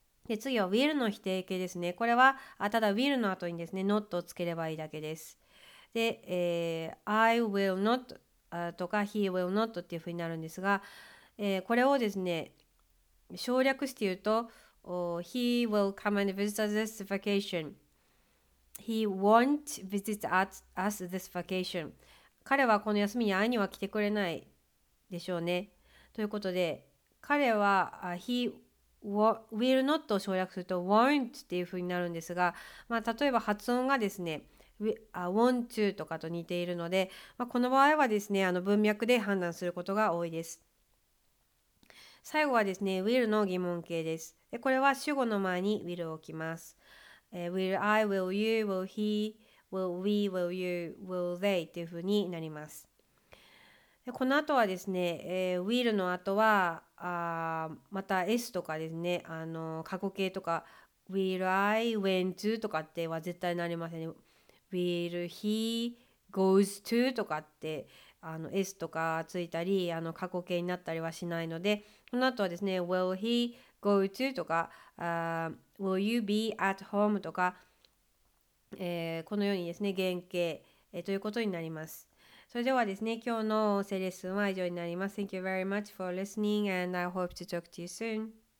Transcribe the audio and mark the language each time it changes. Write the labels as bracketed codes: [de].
[ja] で次は will の否定形ですね。これはただ will の後にですね not をつければいいだけです。で、 [en] I will not [ja] とか [en] he will not [ja] っていうふうになるんですが、これをですね省略して言うと [en] he will come and visit us this vacation. He won't visit us this vacation. [ja] 彼はこの休みに会いには来てくれないでしょうね。ということで、彼は [en] he will not [ja] を省略すると won't っていうふうになるんですが、まあ、例えば発音がですね [en] want to [ja] とかと似ているので、まあ、この場合はですね文脈で判断することが多いです。最後はですね will の疑問形です。でこれは主語の前に will を置きます。 [en] will I, will you, will he, will we, will you, will they というふうになります。 [ja] でこの後はですね、will の後はまた s とかですね過去形とか [en] will I, when to [ja] とかっては絶対なりません、ね、 [en] will he goes to [ja] とかってs とかついたり過去形になったりはしないので、この後はですね [en] will he go to [ja] とか [en] will you be at home [ja] とか、このようにですね原形、ということになります。それではですね今日の音声レッスンは以上になります。 [en] Thank you very much for listening and I hope to talk to you soon.